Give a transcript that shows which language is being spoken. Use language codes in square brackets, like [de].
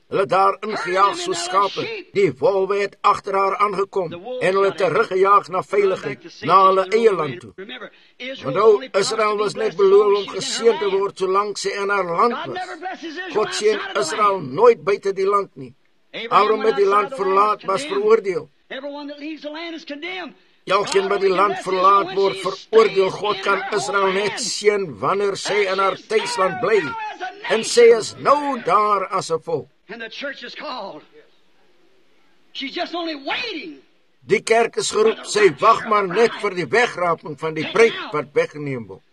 [af] Hulle daar ingejaag soos skape, die wolwe het agter haar aangekom, en hulle teruggejaag na veiligheid, na hulle eie land toe. Want nou, Israel was net beloof om geseënd te word, solank sy in haar land was. God seën Israel nooit buite die land nie. Abraham het die land verlaat, was veroordeel. Elkeen wat die land verlaat word, veroordeel. God kan Israel net seën, wanneer sy in haar tuisland bly, en sy is nou daar as 'n volk. [en] And the church is called. She's just only waiting. [af] Die kerk is geroep, sy wag maar net vir die wegraping van die bruid wat weggeneem word.